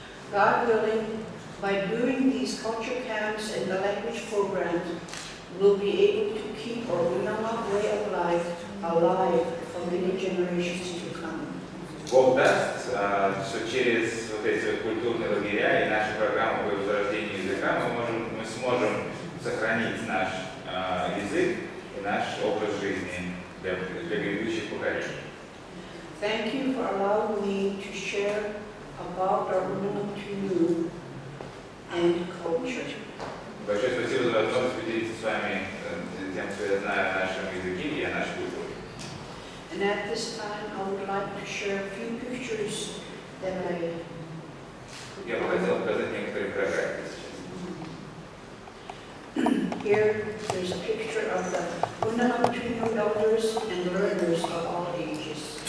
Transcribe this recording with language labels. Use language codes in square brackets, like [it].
[en] God willing, by doing these culture camps and the language programs, we'll be able to keep our Unaman way of life alive for many generations to come. [ru] Бог даст, что через вот эти культурные лагеря и нашу программу по возрождению языка мы сможем сохранить наш язык и наш образ жизни для грядущих поколений. [en] Thank you for allowing me to share about our Unaman canoe and culture. [ru] Большое спасибо за возможность поделиться с вами тем, что я знаю о нашем языке и о нашей культуре. [en] And at this time, I would like to share a few pictures that I... [ru] Я бы хотел показать некоторые фотографии сейчас. [en] Here, there's a picture of the Unaman canoe elders and learners of all ages.